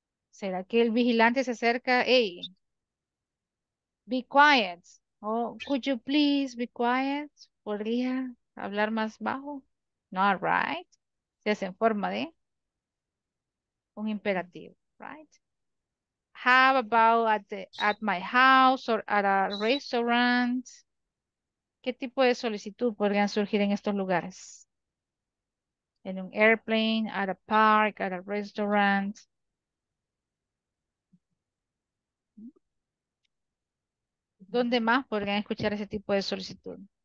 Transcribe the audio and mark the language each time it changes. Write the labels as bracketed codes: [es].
[es] ¿Será que el vigilante se acerca? [en] Hey, be quiet. Oh, could you please be quiet? [es] ¿Podría hablar más bajo? [en] Not right. [es] Se hace en forma de un imperativo, right? [en] How about at my house or at a restaurant? [es] ¿Qué tipo de solicitud podrían surgir en estos lugares? En un airplane, [en] at a park, at a restaurant. [es] ¿Dónde más podrían escuchar ese tipo de solicitud?